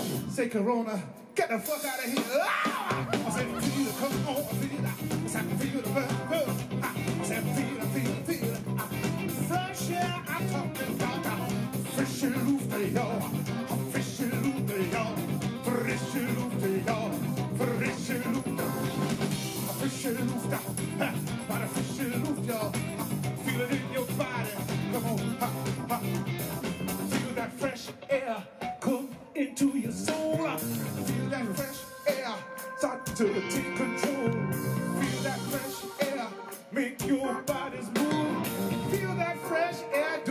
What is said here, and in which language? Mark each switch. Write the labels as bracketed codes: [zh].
[en] Say Corona, get the fuck out of here. I said feel it, come on, feel it. I said feel the burn. I said feel it, feel it, feel it. Fresh air, I'm talking about fresh air, loose air, y'all. Fresh air, loose air, y'all. Fresh air, loose air, y'all. Fresh air, loose air. [de] Frische Luft, ha, bei der frische Luft, ja. [en] Feel it in your body, come on, ha, ha. Feel that fresh air come into your soul. Feel that fresh air start to take control. Feel that fresh air make your bodies move. Feel that fresh air.